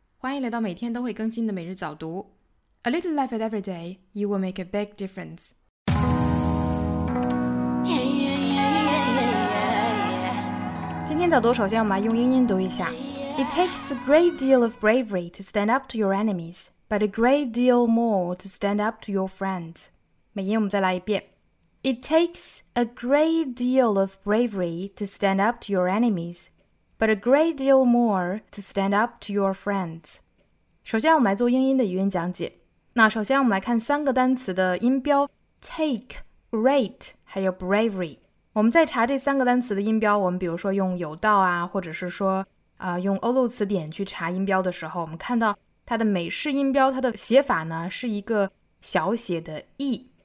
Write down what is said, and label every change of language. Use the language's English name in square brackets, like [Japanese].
[Chinese] 欢迎来到每天都会更新的每日早读。 [English] A little life at every day, you will make a big difference. Yeah, yeah, yeah, yeah, yeah, yeah, yeah. [Chinese] 今天早读首先我们来用英音读一下。 [English] It takes a great deal of bravery to stand up to your enemies, but a great deal more to stand up to your friends. [Chinese] 美音我们再来一遍。 [English] It takes a great deal of bravery to stand up to your enemies,but a great deal more to stand up to your friends. [Chinese] 首先我们来做英音的语音讲解。那首先我们来看三个单词的音标 take, great, 还有 bravery。我们在查这三个单词的音标，我们比如说用有道啊，或者是说、用欧陆词典去查音标的时候，我们看到它的美式音标，它的写法呢是一个小写的 e。